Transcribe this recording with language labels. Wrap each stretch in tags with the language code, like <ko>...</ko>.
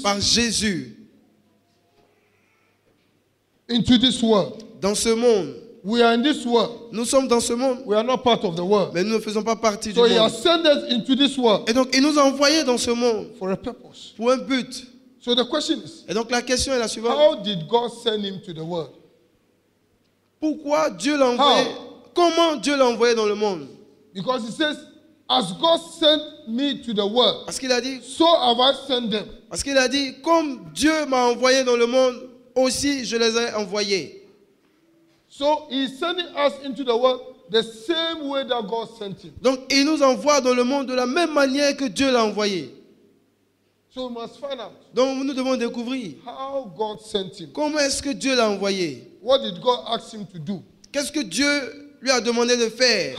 <fr>par Jésus</fr> <en>into this world.</en> <fr>Dans ce monde.</fr> <en>We are in this world.</en> <fr>Nous sommes dans ce monde.</fr> <en>We are not part of the world.</en> <fr>Mais nous ne faisons pas partie</fr> <en>so</en> <fr>du monde.</fr> <en>He has sent us into this world.</en> <fr>Et donc il nous a envoyés dans ce monde</fr> <en>for a purpose.</en> <fr>Pour un but.</fr> <en>So the question is,</en> <fr>et donc la question est la suivante.</fr> <en>How did God send him to the world?</en> <fr>Pourquoi Dieu l'a envoyé? Comment Dieu l'a envoyé dans le monde?</fr> <en>Because he says, as God sent me to the world,</en> <fr>parce qu'il a dit,</fr> <en>so have I sent them.</en> <fr>Parce qu'il a dit, comme Dieu m'a envoyé dans le monde, aussi je les ai envoyés.</fr> <en>So he is sending us into the world the same way that God sent him.</en> <fr>Donc il nous envoie dans le monde de la même manière que Dieu l'a envoyé.</fr> <en>So we must find out.</en> <fr>Donc nous devons découvrir</fr> <en>how God sent him.</en> <fr>Comment est-ce que Dieu l'a envoyé?</fr> <en>What did God ask him to do?</en> <fr>Qu'est-ce que Dieu lui a demandé de faire?</fr>